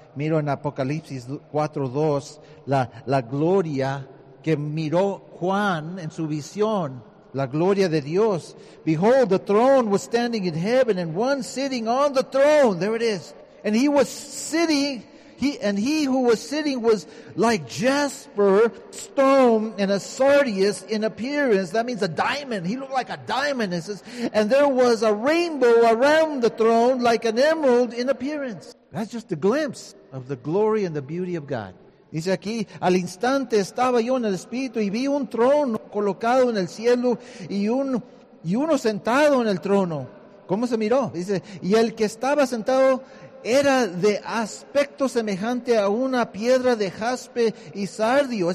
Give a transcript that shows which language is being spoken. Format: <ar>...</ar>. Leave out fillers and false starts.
<es>Miro en Apocalipsis 4:2 la gloria que miró Juan en su visión, la gloria de Dios.</es> <en>Behold, the throne was standing in heaven, and one sitting on the throne. There it is. And he was sitting. He who was sitting was like jasper, stone, and a sardius in appearance. That means a diamond. He looked like a diamond. It says, and there was a rainbow around the throne like an emerald in appearance. That's just a glimpse of the glory and the beauty of God.</en> <es>Dice aquí, al instante estaba yo en el espíritu y vi un trono colocado en el cielo y uno sentado en el trono. ¿Cómo se miró? Dice, y el que estaba sentado era de aspecto semejante a una piedra de jaspe y sardio.</es>